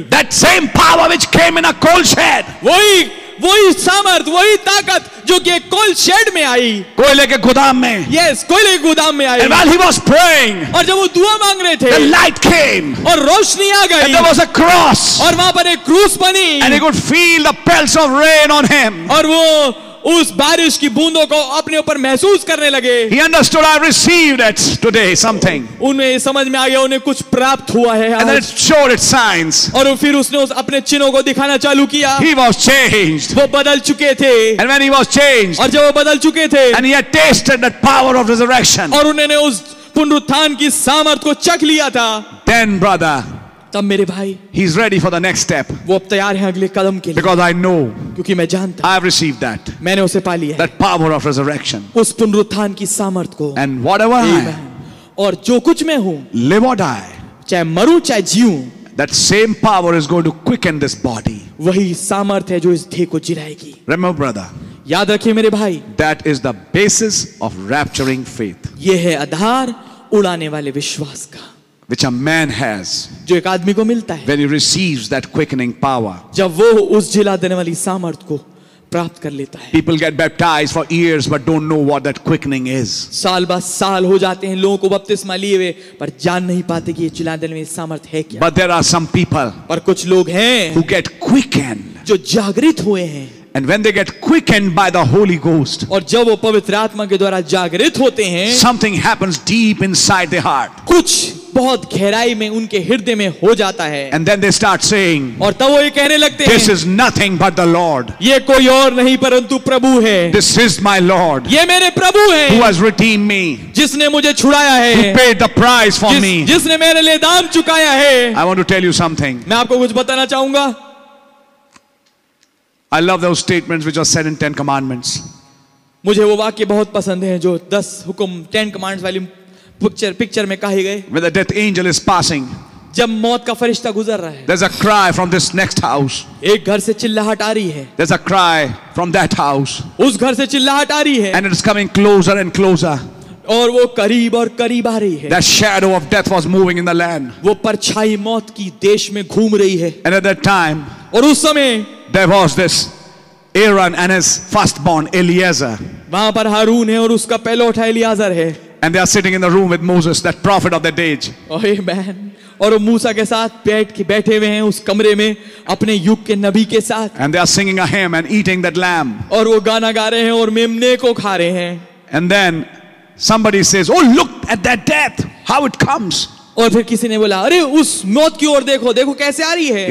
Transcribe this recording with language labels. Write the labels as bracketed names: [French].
[English] That same power which came in a coal shed. [Hindi] वही सामर्थ, वही ताकत जो कि एक कोल शेड में आई, कोयले के गोदाम में. [English] Yes, [Hindi] कोयले के गोदाम में आई. [English] And while he was praying, [Hindi] और जब वो दुआ मांग रहे थे, [English] the light came, [Hindi] और रोशनी आ गई. [English] And there was a cross, [Hindi] और वहां पर एक क्रूस बनी. [English] And he could feel the pelts of rain on him, [Hindi] और वो उस बारिश की बूंदों को अपने ऊपर महसूस करने लगे. [English] He understood, I received it today, something. [Hindi] उन्हें समझ में आ गया, उन्हें कुछ प्राप्त हुआ है. [English] And then it showed its signs. [Hindi] और फिर उसने उस अपने चिन्हों को दिखाना चालू किया. [English] He was changed. [Hindi] वो बदल चुके थे. [English] And when he was changed. [Hindi] और जब वो बदल चुके थे. [English] And he had tasted that power of resurrection. [Hindi] और उन्होंने उस पुनरुत्थान की सामर्थ को चख लिया था. [English] Then brother. [Hindi] तब मेरे भाई, [English] he's ready for the next step. [Hindi] वो अब तैयार है अगले कदम के लिए. [English] Because I know, [Hindi] क्योंकि मैं जानता हूँ. [English] I have received that. [Hindi] मैंने उसे पा लिया है. [English] That power of resurrection. [Hindi] उस पुनरुत्थान की सामर्थ को. [English] And whatever I am. [Hindi] और जो कुछ मैं हूँ. [English] Live or die. [Hindi] चाहे मरूं चाहे जीऊं. [English] That same power is going to quicken this body. [Hindi] वही सामर्थ है जो इस देह को जिलाएगी. [English] Remember, brother. [Hindi] याद रखिए मेरे भाई. [English] That is the basis of rapturing faith. [Hindi] ये है आधार उड़ाने वाले विश्वास का. [English] Which a man has, [Hindi] जो एक आदमी को मिलता है, [English] when he receives that quickening power, [Hindi] जब वो उस जिला देने वाली सामर्थ को प्राप्त कर लेता है. [English] People get baptized for years but don't know what that quickening is. [Hindi] साल बाद साल हो जाते हैं लोगों को बपतिस्मा लिए हुए, पर जान नहीं पाते कि ये जिला देने वाली सामर्थ है क्या. [English] But there are some people, [Hindi] पर कुछ लोग हैं, [English] who get quickened, [Hindi] जो जागृत हुए हैं. [English] And when they get quickened by the Holy Ghost, [Hindi] और जब वो पवित्र आत्मा के द्वारा जागृत होते हैं, [English] something happens deep inside their heart. [Hindi] कुछ बहुत गहराई में उनके हृदय में हो जाता है. [English] And then they start saying, [Hindi] और तब वो ये कहने लगते हैं, [English] This is nothing but the Lord. [Hindi] ये कोई और नहीं परंतु प्रभु है. [English] This is my Lord. [Hindi] ये मेरे प्रभु है. [English] Who has redeemed me. [Hindi] जिसने मुझे छुड़ाया है. [English] Who paid the price for me. [Hindi] जिसने मेरे लिए दाम चुकाया है. [English] I want to tell you something. [Hindi] मैं आपको कुछ बताना चाहूंगा. [English] I love those statements which are said in 10 commandments. [Hindi] मुझे वो वाक्य बहुत पसंद है जो 10 हुकुम 10 कमांड्स वाली पिक्चर में कहे गए. [English] When the death angel is passing, [Hindi] जब मौत का फरिश्ता गुजर रहा है, [English] there's a cry from this next house. [Hindi] एक घर से चिल्लाहट आ रही है. [English] There's a cry from that house. [Hindi] उस घर से चिल्लाहट आ रही है. [English] And it's coming closer and closer. [Hindi] और वो करीब और करीब आ रही है. [English] That shadow of death was moving in the land. [Hindi] वो परछाई मौत की देश में घूम रही है. [English] And at that time, [Hindi] और उस समय, [English] there was this Aaron and his firstborn Eliezer. [Hindi] वहाँ पर हारून है और उसका पहलौठा एलियाजर है. [English] And they are sitting in the room with Moses, that prophet of that age. Oh, amen. [Hindi] और मूसा के साथ बैठे हुए हैं उस कमरे में अपने युग के नबी के साथ. [English] And they are singing a hymn and eating that lamb. [Hindi] और वो गाना गा रहे हैं और मेमने को खा रहे हैं. [English] And then somebody says, "Oh, look at that death! How it comes!" [Hindi] और फिर किसी ने बोला, अरे उस मौत की ओर देखो, देखो कैसे आ रही है.